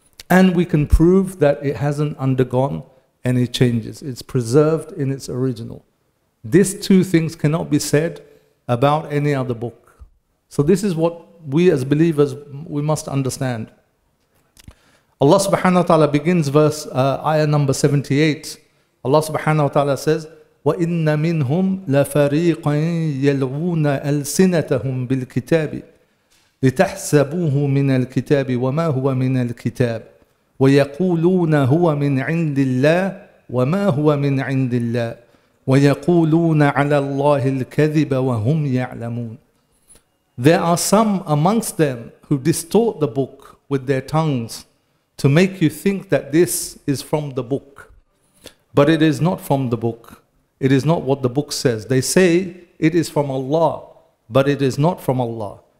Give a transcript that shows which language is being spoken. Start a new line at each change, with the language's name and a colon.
English: And we can prove that it hasn't undergone any changes. It's preserved in its original. These two things cannot be said about any other book. So this is what we as believers, we must understand. Allah subhanahu wa ta'ala begins verse, ayah number 78. Allah subhanahu wa ta'ala says,
Arabic: وَإِنَّ مِنْهُمْ لَفَرِيقًا يَلْغُونَ أَلْسِنَتَهُمْ بِالْكِتَابِ لِتَحْسَبُوهُ مِنَ الْكِتَابِ وَمَا هُوَ مِنَ الْكِتَابِ وَيَقُولُونَ هُوَ مِنْ عِنْدِ اللَّهِ وَمَا هُوَ مِنْ عِنْدِ اللَّهِ وَيَقُولُونَ عَلَى اللَّهِ الْكَذِبَ وَهُمْ يَعْلَمُونَ.
English: There are some amongst them who distort the book with their tongues to make you think that this is from the book. But it is not from the book. It is not what the book says. They say it is from Allah, but it is not from Allah.